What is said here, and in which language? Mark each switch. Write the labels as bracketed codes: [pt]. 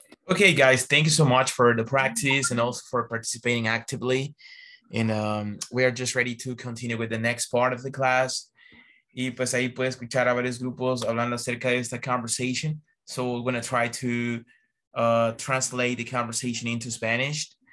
[en] Okay, guys, thank you so much for the practice and also for participating actively. And we are just ready to continue with the next part of the class. [es] Y pues ahí puedes escuchar a varios grupos hablando acerca de esta conversation. [en] So we're going to try to translate the conversation into Spanish.